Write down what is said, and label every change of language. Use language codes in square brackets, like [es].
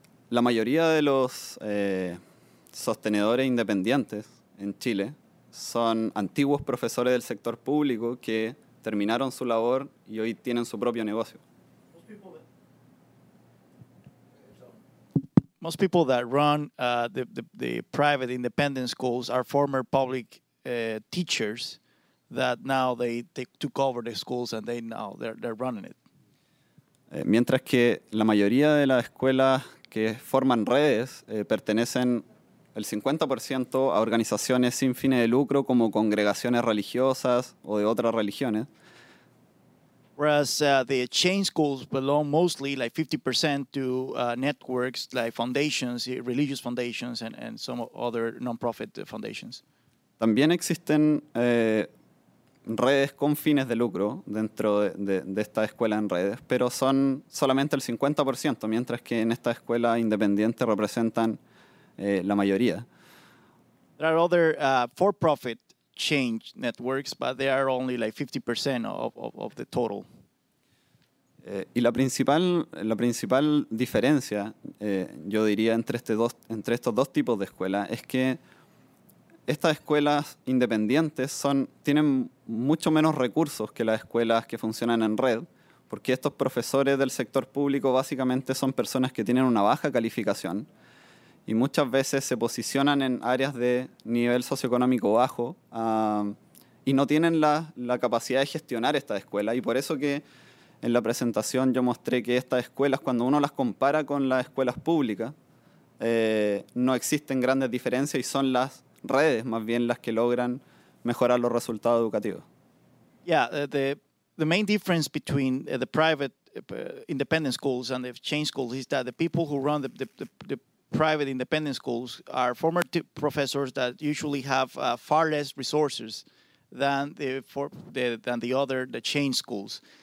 [es] La mayoría de los sostenedores independientes en Chile son antiguos profesores del sector público que terminaron su labor y hoy tienen su propio negocio. [en] Most people that run the private independent schools are former public teachers that now they took over the schools and they're running it. [es] Mientras que la mayoría de las escuelas que forman redes pertenecen el 50% a organizaciones sin fines de lucro como congregaciones religiosas o de otras religiones. [en] Whereas the chain schools belong mostly like 50% to networks like foundations, religious foundations and some other non-profit foundations. [es] También existen redes con fines de lucro dentro de esta escuela en redes, pero son solamente el 50%, mientras que en esta escuela independiente representan la mayoría. [en] There are other for-profit chain networks, but they are only like 50% of the total. [es] Y la principal diferencia, yo diría, entre estos dos tipos de escuela es que estas escuelas independientes tienen mucho menos recursos que las escuelas que funcionan en red, porque estos profesores del sector público básicamente son personas que tienen una baja calificación y muchas veces se posicionan en áreas de nivel socioeconómico bajo y no tienen la capacidad de gestionar esta escuela. Y por eso que en la presentación yo mostré que estas escuelas, cuando uno las compara con las escuelas públicas, no existen grandes diferencias y son las redes más bien las que logran mejorar los resultados educativos. [en] Yeah, the main difference between the private independent schools and the chain schools is that the people who run the private independent schools are former professors that usually have far less resources than the other, the chain schools.